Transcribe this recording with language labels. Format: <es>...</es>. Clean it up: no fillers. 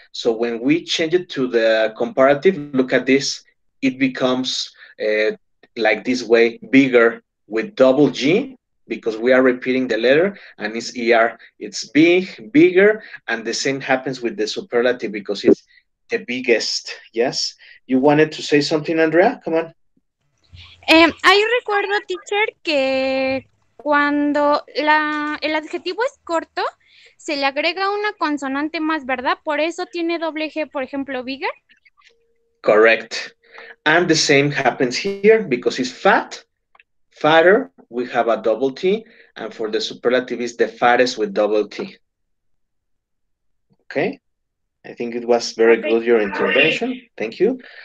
<en>So when we change it to the comparative, look at this, it becomes like this way, bigger with double G, because we are repeating the letter, and it's ER, it's big, bigger, and the same happens with the superlative, because it's the biggest, yes? You wanted to say something, Andrea? Come on.</en> <es>I recuerdo, teacher, que cuando el adjetivo es corto, se le agrega una consonante más, ¿verdad? Por eso tiene doble G, por ejemplo, bigger.</es> <en>Correct. And the same happens here, because it's fat, fatter, we have a double T, and for the superlative is the fattest with double T. Okay, I think it was very good, your intervention. Thank you.</en>